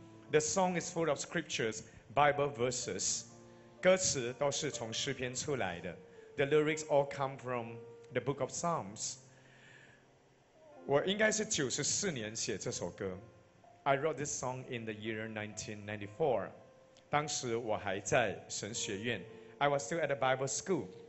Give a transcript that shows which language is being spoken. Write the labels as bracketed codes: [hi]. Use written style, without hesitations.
[en] The song is full of scriptures, Bible verses. [zh] 歌词都是从诗篇出来的。 [en] The lyrics all come from the book of Psalms. [zh] 我应该是94年写这首歌。 [en] I wrote this song in the year 1994. [zh] 当时我还在神学院。 [en] I was still at a Bible school.